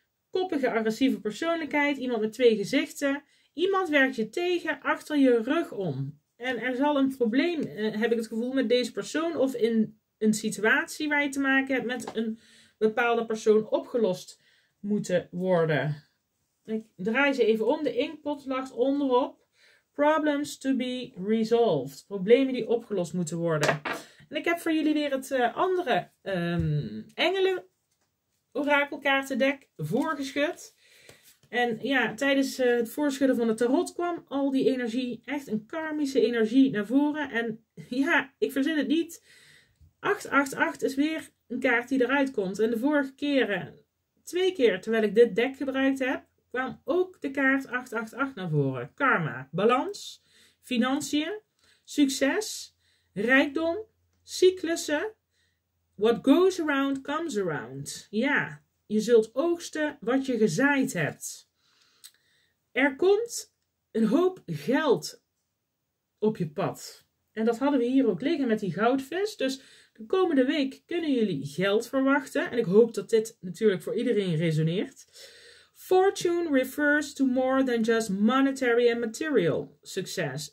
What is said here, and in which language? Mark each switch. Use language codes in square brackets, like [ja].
[nl] Koppige, agressieve persoonlijkheid, iemand met twee gezichten. Iemand werkt je tegen achter je rug om. En er zal een probleem, heb ik het gevoel, met deze persoon of in een situatie waar je te maken hebt met een bepaalde persoon opgelost moeten worden. Ik draai ze even om. De inkpot lag onderop. [en] Problems to be resolved. [nl] Problemen die opgelost moeten worden. En ik heb voor jullie weer het andere engelen orakelkaartendek voorgeschud. En ja, tijdens het voorschudden van de tarot kwam al die energie, echt een karmische energie, naar voren. En ja, ik verzin het niet. 888 is weer een kaart die eruit komt. En de vorige keren, twee keer terwijl ik dit deck gebruikt heb, kwam ook de kaart 888 naar voren. Karma, balans, financiën, succes, rijkdom, cyclussen. [en] What goes around, comes around. [nl] Ja, je zult oogsten wat je gezaaid hebt. Er komt een hoop geld op je pad. En dat hadden we hier ook liggen met die goudvis. Dus de komende week kunnen jullie geld verwachten. En ik hoop dat dit natuurlijk voor iedereen resoneert. [en] Fortune refers to more than just monetary and material success.